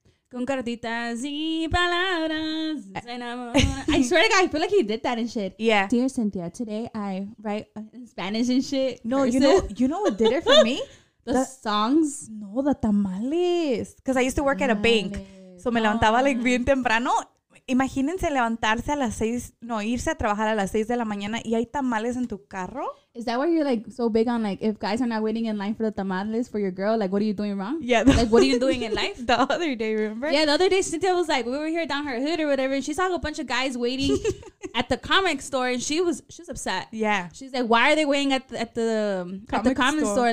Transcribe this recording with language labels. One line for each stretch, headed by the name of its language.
Spanish: Con cartitas y palabras.
English: I swear to God, I feel like he did that and shit. Yeah. Dear Cynthia, today I write in Spanish and shit. No, you know what did it for me? The songs? No, the tamales. Because I used to work at a bank.
Spanish: So me levantaba like bien temprano. Imagínense levantarse a las seis. No, irse a trabajar a las 6 de la mañana y hay tamales en tu carro.
English: Is that why you're like so big on like if guys are not waiting in line for the tamales for your girl? Like, what are you doing wrong? Yeah. Like, what are you doing in life? The other day, remember? Yeah, the other day, Cynthia was like, we were here down her hood or whatever. And she saw a bunch of guys waiting at the comic store and she was upset. Yeah. She's like, why are they waiting at the comic store?